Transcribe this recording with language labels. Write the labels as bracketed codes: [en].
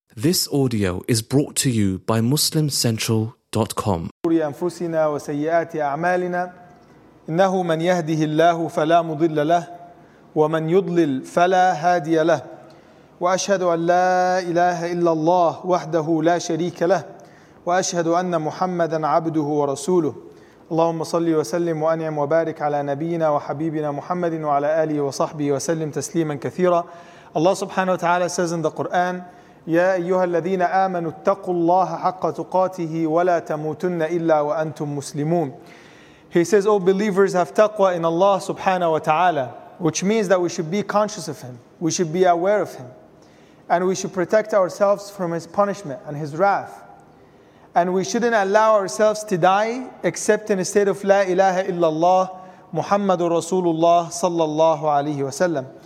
[en] This audio is brought to you by MuslimCentral.com. [ar] نوري أنفسنا وسيئات أعمالنا إنه من يهده الله فلا مضل له ومن يضلل فلا هادي له وأشهد أن لا إله إلا الله وحده لا شريك له وأشهد أن محمدا عبده ورسوله اللهم صل وسلم وأنعم وبارك على نبينا وحبيبنا محمد وعلى آله وصحبه وسلم تسليما كثيرا. الله سبحانه وتعالى [en] says in the Quran, [ar] يا أيها الذين آمنوا اتقوا الله حق تقاته ولا تموتن إلا وأنتم مسلمون. [en] He says, oh believers, have taqwa in Allah subhanahu wa ta'ala, which means that we should be conscious of Him, we should be aware of Him, and we should protect ourselves from His punishment and His wrath, and we shouldn't allow ourselves to die except in a state of [ar] لا إله إلا الله محمد رسول الله صلى الله عليه وسلم.